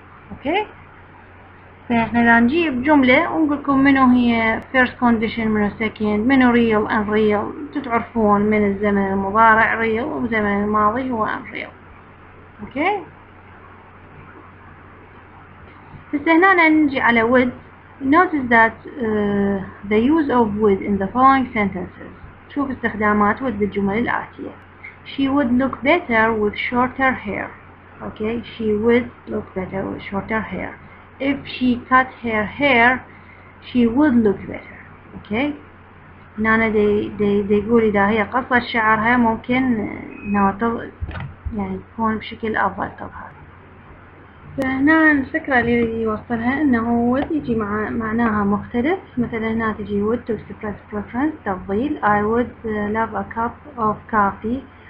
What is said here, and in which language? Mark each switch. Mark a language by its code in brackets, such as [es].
[ar] اوكي فاحنا لا نجيب جملة ونقولكم منو هي first condition منو second منو real unreal تتعرفون من الزمن المضارع real وزمن الماضي هو unreal. اوكي بس هنا نجي على would. [en] Notice that the use of would in the following sentences. [ar] شوف استخدامات would بالجمل الآتية. [en] She would look better with shorter hair. Okay, she would look better with shorter hair. If she cut her hair, she would look better. [ar] Okay, نانا دي يقول إذا هي قصت شعرها ممكن نوطل يعني تكون بشكل أفضل تظهر. فهنا الفكرة اللي يوصلها إنه would يجي معناها مختلف. مثلا هنا تجي [en] would to express preference تفضيل. I would love a cup of coffee.